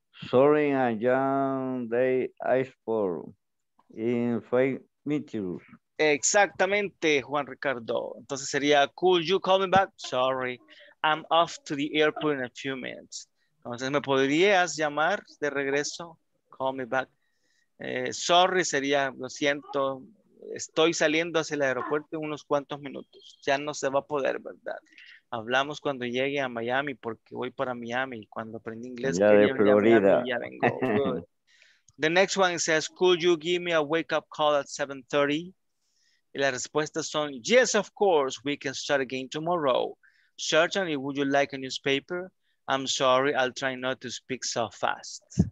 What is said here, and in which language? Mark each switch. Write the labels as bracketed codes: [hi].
[en] Sorry, I'm on the airport in 5 minutes. Exactamente, Juan Ricardo. [es] Entonces sería, [en] could you call me back? Sorry, I'm off to the airport in a few minutes. [es] Entonces, ¿me podrías llamar de regreso? [en] Call me back. [es] Sorry sería, lo siento, estoy saliendo hacia el aeropuerto en unos cuantos minutos. Ya no se va a poder, ¿verdad? Hablamos cuando llegue a Miami, porque voy para Miami. Cuando aprendí inglés, ya de Florida. Ya vengo. [en] The next one says, could you give me a wake-up call at 7:30? [es] Y las respuestas son, [en] yes, of course, we can start again tomorrow. Certainly, would you like a newspaper? I'm sorry, I'll try not to speak so fast.